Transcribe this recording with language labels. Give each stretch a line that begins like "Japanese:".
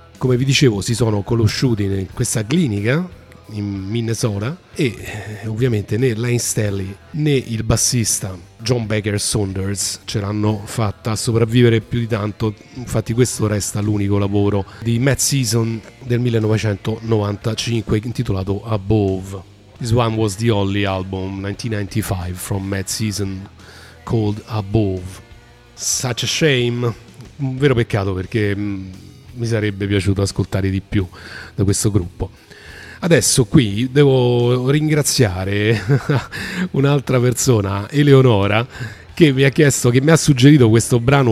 Italian: Come vi dicevo, si sono conosciuti in questa clinica in Minnesota, e ovviamente né Lane Staley né il bassista John Baker Saunders ce l'hanno fatta a sopravvivere più di tanto. Infatti questo resta l'unico lavoro di Mad Season del 1995, intitolato Above.
English: This one was the only album 1995 from Mad Season called Above. Such a shame,
Italian: un vero peccato, perché mi sarebbe piaciuto ascoltare di più da questo gruppo. Adesso qui devo ringraziare un'altra persona, Eleonora, che mi ha chiesto, che mi ha suggerito questo brano.